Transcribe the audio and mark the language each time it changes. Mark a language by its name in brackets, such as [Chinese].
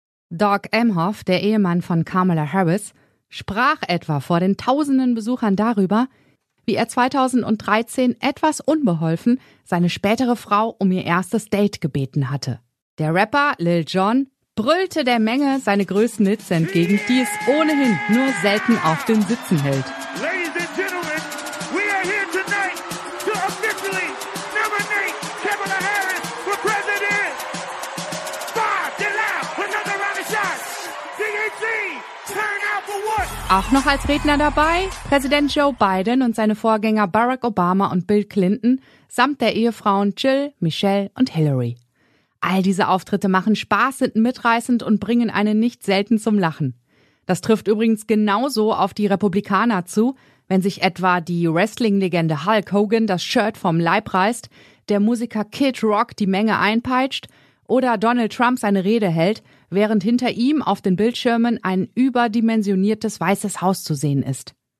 [German] Doug Emhoff, der Ehemann von Kamala Harris, sprach etwa vor den tausenden Besuchern darüber, wie er 2013 etwas unbeholfen seine spätere Frau um ihr erstes Date gebeten hatte. Der Rapper Lil Jon brüllte der Menge seine größten Hits entgegen, die es ohnehin nur selten auf den Sitzen hält. [English] Ladies and gentlemen, we are here tonight to officially nominate Kamala Harris for president. Five, another round of shots. Turn out for what? [German] Auch noch als Redner dabei Präsident Joe Biden und seine Vorgänger Barack Obama und Bill Clinton samt der Ehefrauen Jill, Michelle und Hillary. All diese Auftritte machen Spaß, sind mitreißend und bringen einen nicht selten zum Lachen. Das trifft übrigens genauso auf die Republikaner zu, wenn sich etwa die Wrestling-Legende Hulk Hogan das Shirt vom Leib reißt, der Musiker Kid Rock die Menge einpeitscht oder Donald Trump seine Rede hält, während hinter ihm auf den Bildschirmen ein überdimensioniertes weißes Haus zu sehen ist.